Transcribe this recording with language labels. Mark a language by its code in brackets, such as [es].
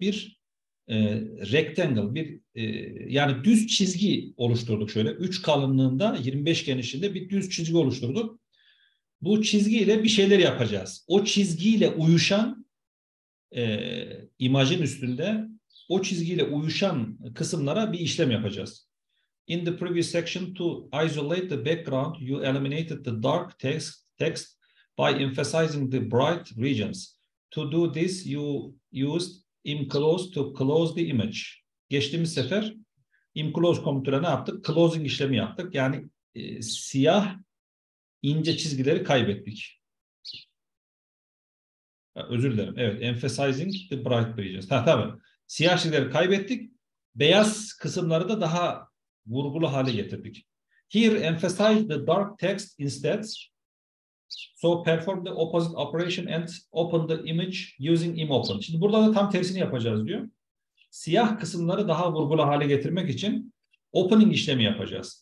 [tr] Bir rectangle, bir yani düz çizgi oluşturduk şöyle. 3 kalınlığında, 25 genişliğinde bir düz çizgi oluşturduk. Bu çizgiyle bir şeyler yapacağız. O çizgiyle uyuşan imajın üstünde o çizgiyle uyuşan kısımlara bir işlem yapacağız. [en] In the previous section to isolate the background, you eliminated the dark text by emphasizing the bright regions. To do this, you used imclose to close the image. [tr] Geçtiğimiz sefer imclose komutuyla ne yaptık? Closing işlemi yaptık. Yani siyah ince çizgileri kaybettik. Özür dilerim. Evet, [en] emphasizing the bright regions. [tr] Tamam. Siyah çizgileri kaybettik. Beyaz kısımları da daha vurgulu hale getirdik. [en] Here, emphasize the dark text instead. So perform the opposite operation and open the image using imopen. [tr] Şimdi burada da tam tersini yapacağız diyor. Siyah kısımları daha vurgulu hale getirmek için opening işlemi yapacağız.